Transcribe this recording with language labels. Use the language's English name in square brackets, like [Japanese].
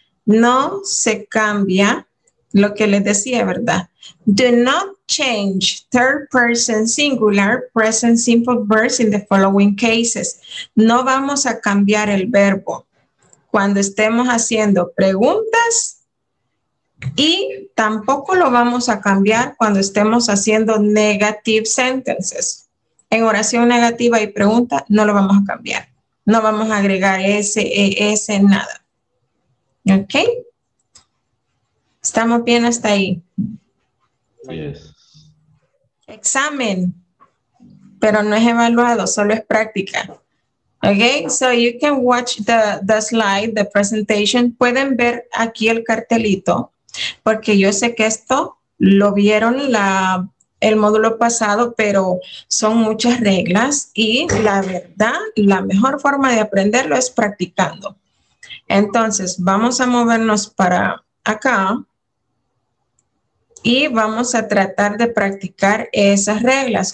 [Spanish] No se cambia lo que les decía, ¿verdad? [English] Do not change third person singular present simple verb in the following cases. [Spanish] No vamos a cambiar el verbo cuando estemos haciendo preguntas y tampoco lo vamos a cambiar cuando estemos haciendo [English] negative sentences. [Spanish] En oración negativa y pregunta, no lo vamos a cambiar. No vamos a agregar S, nada. ¿Ok? ¿Estamos bien hasta ahí? [English] Yes. [Spanish] Examen, pero no es evaluado, solo es práctica. [English] Okay, so you can watch the slide, the presentation. [Spanish] Pueden ver aquí el cartelito, porque yo sé que esto lo vieron el módulo pasado, pero son muchas reglas y la verdad, la mejor forma de aprenderlo es practicando. Entonces, vamos a movernos para acá y vamos a tratar de practicar esas reglas.